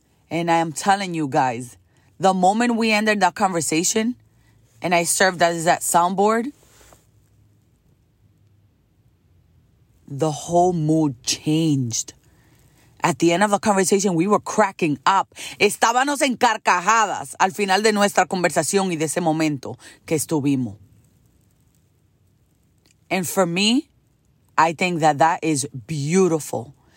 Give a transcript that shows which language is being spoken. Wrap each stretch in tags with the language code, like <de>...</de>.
<en>And I am telling you guys, the moment we ended that conversation and I served as that soundboard, the whole mood changed. At the end of the conversation, we were cracking up.</en> <es>Estábamos en carcajadas al final de nuestra conversación y de ese momento que estuvimos.</es> <en>And for me, I think that that is beautiful.</en>